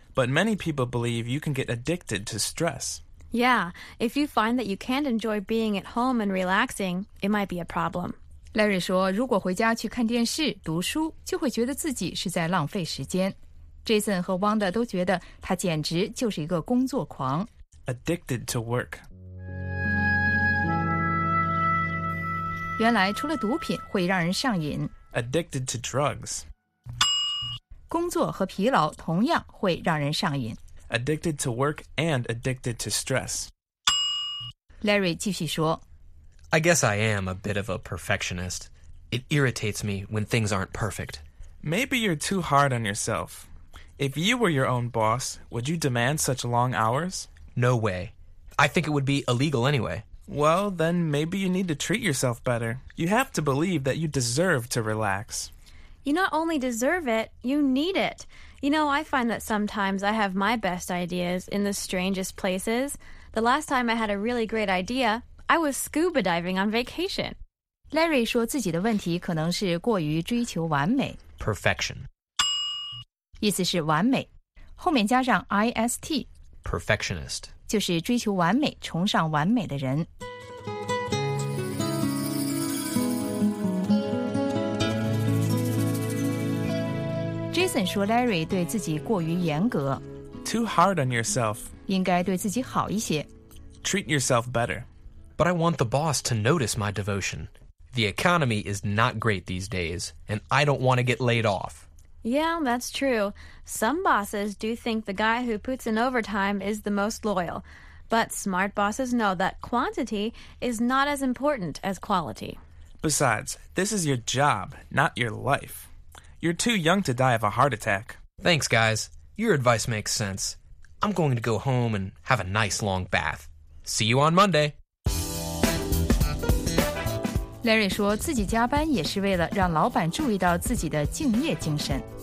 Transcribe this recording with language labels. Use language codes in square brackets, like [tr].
[en] But many people believe you can get addicted to stress. Yeah, if you find that you can't enjoy being at home and relaxing, it might be a problem. [zh] Larry 说如果回家去看电视、读书，就会觉得自己是在浪费时间。 Jason 和 Wanda 都觉得他简直就是一个工作狂。 [en] Addicted to work. [zh] 原来除了毒品会让人上瘾。 [en] Addicted to drugs. [zh] 工作和疲劳同样会让人上瘾。 [en] Addicted to work and addicted to stress. [zh] Larry 继续说 [en] I guess I am a bit of a perfectionist. It irritates me when things aren't perfect. Maybe you're too hard on yourself. If you were your own boss, would you demand such long hours? No way. I think it would be illegal anyway. Well, then maybe you need to treat yourself better. You have to believe that you deserve to relax. You not only deserve it, you need it. You know, I find that sometimes I have my best ideas in the strangest places. The last time I had a really great idea, I was scuba diving on vacation. [zh] Larry 说自己的问题可能是过于追求完美。 [en] Perfection. [zh] 意思是完美。后面加上 IST. [en] Perfectionist. [zh] 就是追求完美、崇尚完美的人。 Jason 说 Larry 对自己过于严格。 [en] Too hard on yourself. [zh] 应该对自己好一些。 [en] Treat yourself better. But I want the boss to notice my devotion. The economy is not great these days, and I don't want to get laid off. Yeah, that's true. Some bosses do think the guy who puts in overtime is the most loyal. But smart bosses know that quantity is not as important as quality. Besides, this is your job, not your life. You're too young to die of a heart attack. Thanks, guys. Your advice makes sense. I'm going to go home and have a nice long bath. See you on Monday. [zh] Larry 说自己加班也是为了让老板注意到自己的敬业精神。